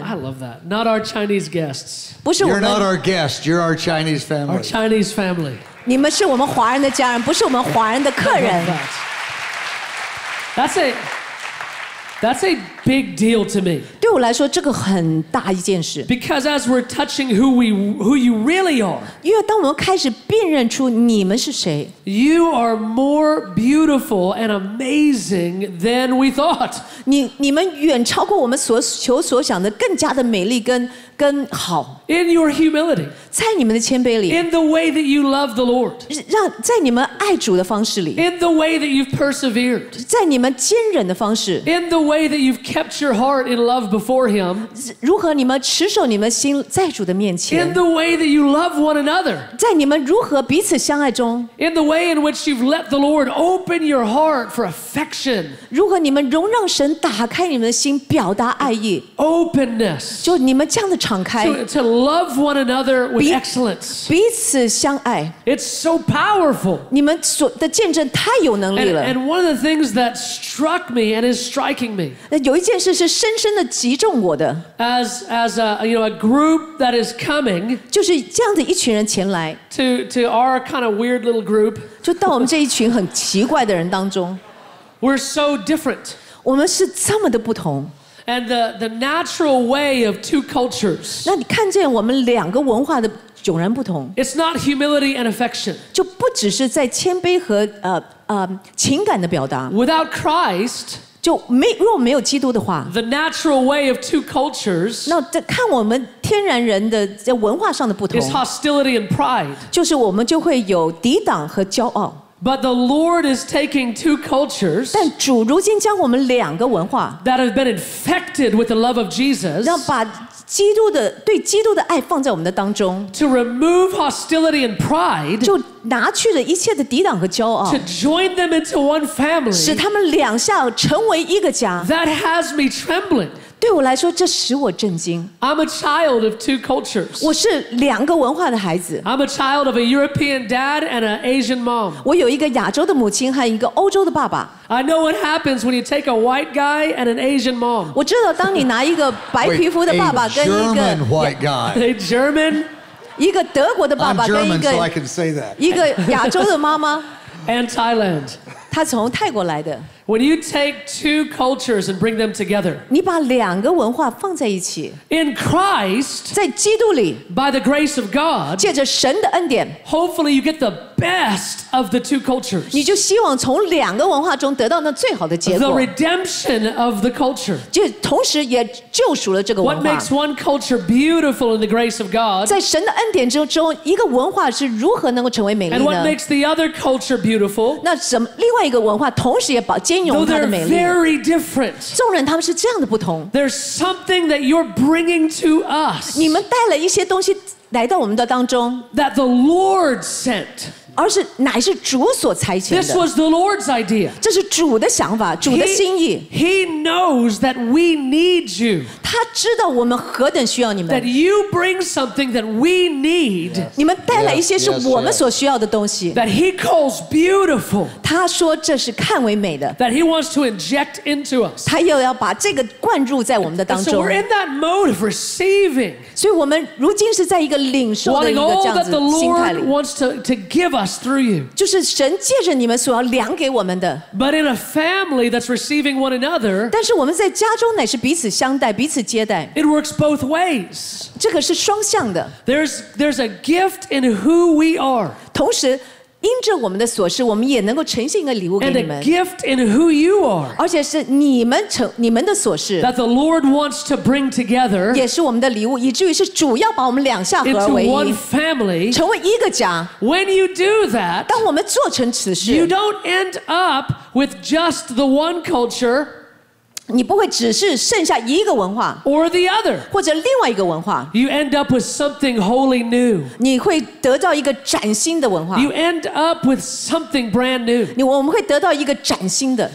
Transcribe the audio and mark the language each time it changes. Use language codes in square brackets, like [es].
[en] I love that. Not our Chinese guests. [zh] 不是我们。 [en] You're not our guest. You're our Chinese family. Our Chinese family. [zh] 你们是我们华人的家人，不是我们华人的客人。 [en] That's it. That's a big deal to me. [zh] 对我来说，这个很大一件事。 [en] Because as we're touching who you really are. [zh] 因为当我们开始辨认出你们是谁。 [en] You are more beautiful and amazing than we thought. [zh] 你们远超过我们所求所想的，更加的美丽跟好。 [en] In your humility. [zh] 在你们的谦卑里。 [en] In the way that you love the Lord. [zh] 让在你们爱主的方式里。 [en] In the way that you've persevered. [zh] 在你们坚忍的方式。 [en] In the way that you've kept your heart in love before Him. [zh] 如何你们持守你们心在主的面前。 [en] In the way that you love one another. [zh] 在你们如何彼此相爱中。 [en] In the way in which you've let the Lord open your heart for affection. [zh] 如何你们容让神打开你们的心表达爱意。 [en] Openness. [zh] 就你们这样的敞开。 [en] To love one another with excellence. [zh] 彼此相爱。 [en] It's so powerful. [zh] 你们所的见证太有能力了。 [en] And one of the things that struck me and is striking me. [zh] 有一件事是深深的击中我的。 [en] As a group that is coming. [zh] 就是这样的一群人前来。 [en] To our kind of weird little group. [zh] 就到我们这一群很奇怪的人当中。 [en] We're so different. [zh] 我们是这么的不同。 [en] And the natural way of two cultures. [zh] 那你看见我们两个文化的迥然不同。 [en] It's not humility and affection. [zh] 就不只是在谦卑和情感的表达。 [en] Without Christ. [zh] 就没如果没有基督的话。 [en] The natural way of two cultures. [zh] 那这看我们天然人的在文化上的不同。 [en] Is hostility and pride. [zh] 就是我们就会有抵挡和骄傲。 [en] But the Lord is taking two cultures. [zh] 但主如今将我们两个文化 [en] that have been infected with the love of Jesus. [zh] 让把基督的对基督的爱放在我们的当中 [en] to remove hostility and pride. [zh] 就拿去了一切的抵挡和骄傲 [en] to join them into one family. [zh] 使他们两下成为一个家 [en] that has me trembling. [zh] 对我来说，这使我震惊 [en] I'm a child of two cultures. [zh] 我是两个文化的孩子 [en] I'm a child of a European dad and an Asian mom. [zh] 我有一个亚洲的母亲和一个欧洲的爸爸 [en] I know what happens when you take a white guy and an Asian mom. [zh] 我知道当你拿一个白皮肤的爸爸跟一个 [en] a German white guy. A German. [zh] 一个德国的爸爸跟一个 [en] German, so I can say that. [zh] 一个亚洲的妈妈 [en] and Thailand. [zh] 他从泰国来的。 [en] When you take two cultures and bring them together, [zh] 你把两个文化放在一起。 [en] In Christ, [zh] 在基督里。 [en] By the grace of God, [zh] 借着神的恩典。 [en] Hopefully, you get the best of the two cultures. [zh] 你就希望从两个文化中得到那最好的结果。 [en] The redemption of the culture, [zh] 就同时也救赎了这个文化。 [en] What makes one culture beautiful in the grace of God? [zh] 在神的恩典之中，一个文化是如何能够成为美丽呢？ [en] And what makes the other culture beautiful? [zh] 那什么另外一个文化同时也保 [en] Though they're very different, [zh] 众人他们是这样的不同。 [en] There's something that you're bringing to us. [zh] 你们带了一些东西来到我们的当中。 [en] That the Lord sent. [zh] 而是乃是主所差遣的。 [en] This was the Lord's idea. [zh] 这是主的想法，主的心意。 [en] He knows that we need you. [zh] 他知道我们何等需要你们。 [en] That you bring something that we need. [zh] 你们带了一些是我们所需要的东西。 [en] That he calls beautiful. [zh] 他说这是看为美的。 [en] That he wants to inject into us. [zh] 他又要把这个灌入在我们的当中。 [en] So we're in that mode of receiving. [zh] 所以我们如今是在一个领受的一个这样子心态里。 [en] Wanting all that the Lord wants to give us through you. [zh] 就是神借着你们所要量给我们的。 [en] But in a family that's receiving one another. [zh] 但是我们在家中乃是彼此相待，彼此。 [en] It works both ways. [zh] 这个是双向的。 [en] There's a gift in who we are. [zh] 同时，因着我们的所事，我们也能够呈现一个礼物给你们。 [en] And a gift in who you are. [zh] 而且是你们的所事。 [en] That the Lord wants to bring together. [zh] 也是我们的礼物，以至于是主要把我们两下合为一。 [en] Into one family. [zh] 成为一个家。 [en] When you do that. [zh] 当我们做成此事。 [en] You don't end up with just the one culture. [zh] 你不会只是剩下一个文化 [en] or the other. [zh] 或者另外一个文化 [en] You end up with something wholly new. [zh] 你会得到一个崭新的文化 [en] You end up with something brand new. [zh] 我们会得到一个崭新的